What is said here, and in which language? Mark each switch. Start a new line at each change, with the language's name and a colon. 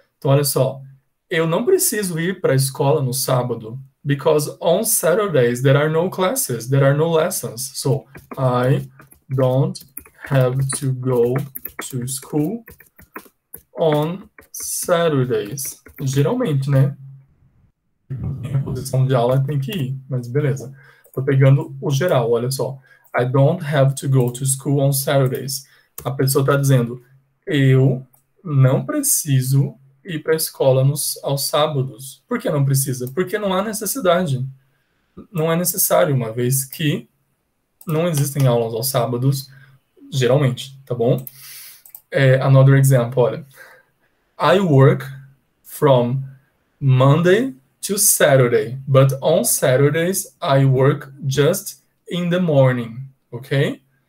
Portuguese: Então, olha só, eu não preciso ir para a escola no sábado,
English: because on Saturdays there are no classes, there are no lessons. So, I don't have to go to school on Saturdays.
Portuguese: Geralmente, né? Em posição de aula tem que ir, mas beleza. Tô pegando o geral, olha só.
English: I don't have to go to school on Saturdays.
Portuguese: A pessoa tá dizendo, eu não preciso ir para a escola aos sábados. Por que não precisa? Porque não há necessidade. Não é necessário, uma vez que não existem aulas aos sábados, geralmente, tá bom? É,
English: another example,
Portuguese: olha.
English: I work from Monday to Saturday, but on Saturdays I work just in the morning, okay?